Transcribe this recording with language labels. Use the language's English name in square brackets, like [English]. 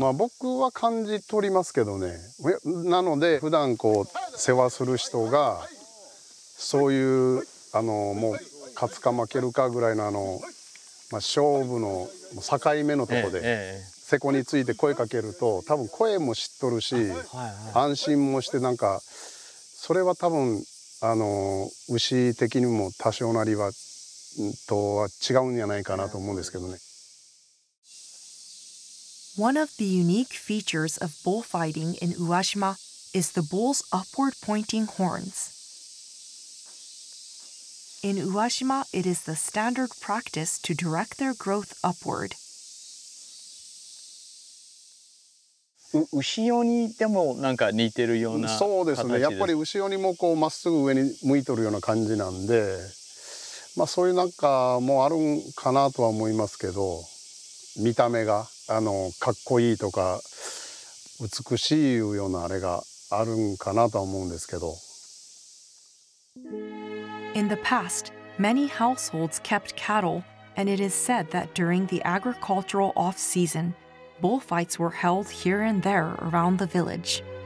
[Japanese] まあ僕は感じ取りますけどね。なので普段こう世話する人がそういうもう勝つか負けるかぐらいのまあ、勝負の境目のところで勢子について声かけると多分声も知っとるし、はいはい、安心もしてなんかそれは多分牛的にも多少なりはとは違うんじゃないかなと思うんですけどね。 [English] One of the unique features of bullfighting in Uajima is the bull's upward pointing horns. In Uajima, it is the standard practice to direct their growth upward. [Japanese] Ushioni でもなんか似てるような形です。そうですね。やっぱり Ushioni もこうまっすぐ上に向いてるような感じなんで。まあ、そういうなんかもあるんかなとは思いますけど、見た目がかっこいいとか美しいいうようなあれがあるんかなとは思うんですけど。 [English] In the past, many households kept cattle, and it is said that during the agricultural off-season, bullfights were held here and there around the village.